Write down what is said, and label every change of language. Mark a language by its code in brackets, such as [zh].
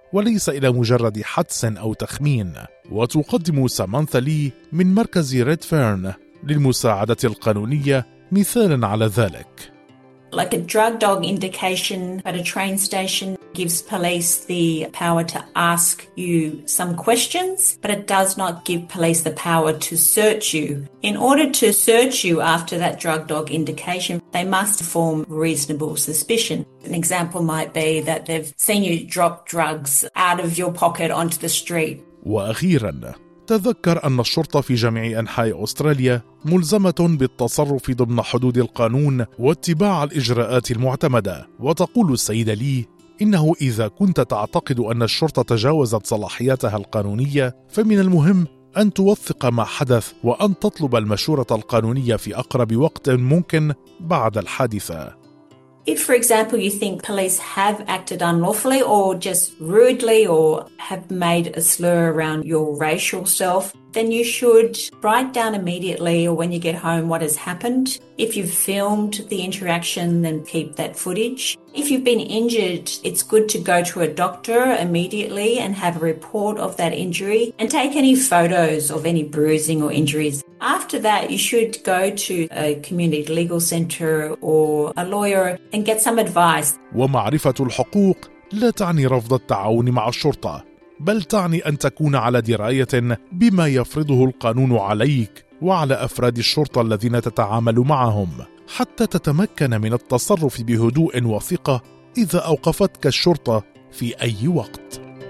[ar] وليس إلى مجرد حدس أو تخمين. وتقدم سامانثا لي من مركز ريد فيرن للمساعدة القانونية مثالا على ذلك. [en] Like a drug dog indication at a train station gives police the power to ask you some questions, but it does not give police the power to search you. In order to search you after that drug dog indication, they must form reasonable suspicion. An example might be that they've seen you drop drugs out of your pocket onto the street. [ar] وأخيراً تذكر أن الشرطة في جميع أنحاء أستراليا ملزمة بالتصرف ضمن حدود القانون واتباع الإجراءات المعتمدة. وتقول السيدة لي إنه إذا كنت تعتقد أن الشرطة تجاوزت صلاحياتها القانونية فمن المهم أن توثق ما حدث وأن تطلب المشورة القانونية في أقرب وقت ممكن بعد الحادثة. [en] If, for example, you think police have acted unlawfully or just rudely or have made a slur around your racial self, then you should write down immediately or when you get home what has happened. If you've filmed the interaction, then keep that footage. If you've been injured, it's good to go to a doctor immediately and have a report of that injury and take any photos of any bruising or injuries. After that, you should go to a community legal center or a lawyer and get some advice. [ar] ومعرفة الحقوق لا تعني رفض التعاون مع الشرطة، بل تعني أن تكون على دراية بما يفرضه القانون عليك وعلى أفراد الشرطة الذين تتعامل معهم، حتى تتمكن من التصرف بهدوء وثقة إذا أوقفتك الشرطة في أي وقت.